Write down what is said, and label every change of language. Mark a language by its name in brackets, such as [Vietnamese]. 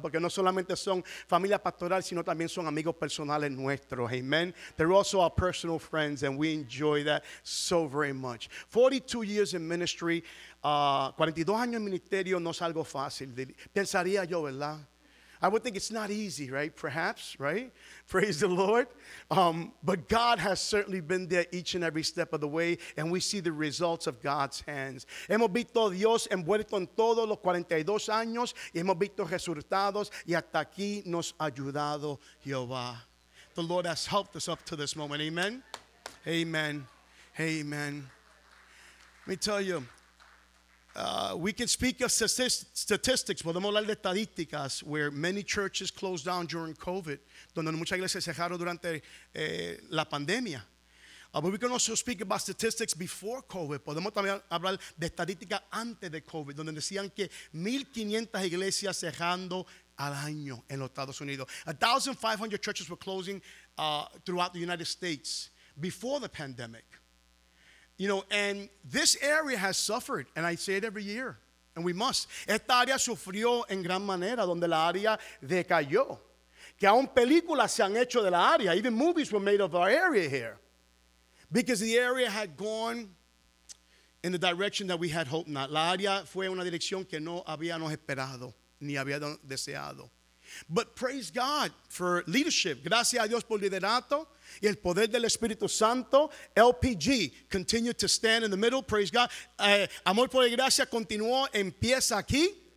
[Spanish] Porque no solamente son familia pastoral, sino también son amigos personales nuestros, amen. [English] They're also our personal friends, and we enjoy that so very much. 42 years in ministry, [Spanish] 42 años en ministerio no es algo fácil, pensaría yo, ¿verdad? [English] I would think it's not easy, right? Perhaps, right? Praise the Lord. But God has certainly been there each and every step of the way, and we see the results of God's hands. [Spanish] Hemos visto a Dios envuelto en todos los 42 años, y hemos visto resultados, y hasta aquí nos ha ayudado Jehová. [English] The Lord has helped us up to this moment. Amen? Amen. Amen. Let me tell you, we can speak of statistics. [Spanish] Podemos hablar de estadísticas [English] where many churches closed down during COVID, [Spanish] donde muchas iglesias cerraron durante la pandemia. [English] But we can also speak about statistics before COVID. [Spanish] Podemos también hablar de estadísticas antes de COVID, donde decían que 1,500 iglesias cerrando al año en los Estados Unidos. [English] 1,500 churches were closing throughout the United States before the pandemic. You know, and this area has suffered, and I say it every year, and we must. [Spanish] Esta área sufrió en gran manera, donde la área decayó. Que aún películas se han hecho de la área. [English] Even movies were made of our area here. Because the area had gone in the direction that we had hoped not. [Spanish] La área fue una dirección que no habíamos esperado, ni habíamos deseado. [English] But praise God for leadership. [Spanish] Gracias a Dios por liderato y el poder del Espíritu Santo. [English] LPG continued to stand in the middle. Praise God. [Spanish] Amor por la gracia continuó en pie aquí.